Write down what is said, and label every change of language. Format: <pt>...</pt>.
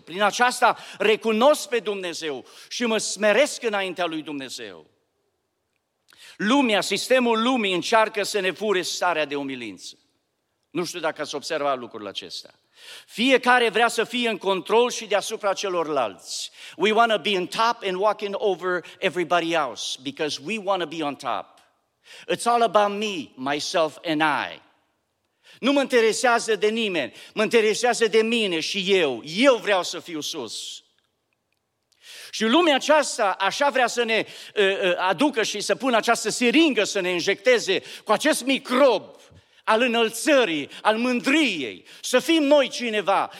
<ro>Prin aceasta recunosc pe Dumnezeu și mă smeresc înaintea lui Dumnezeu. Lumea, sistemul lumii încearcă să ne fure starea de umilință. Nu știu dacă ați observat lucrurile acestea. Fiecare vrea să fie în control și deasupra celorlalți.</ro> <en>We want to be on top and walking over everybody else because we want to be on top. It's all about me, myself and I.</en> <ro>Nu mă interesează de nimeni, mă interesează de mine și eu. Eu vreau să fiu sus. Și lumea aceasta așa vrea să ne aducă și să pună această siringă să ne injecteze cu acest microb al înălțării, al mândriei, să fim noi cineva.</ro>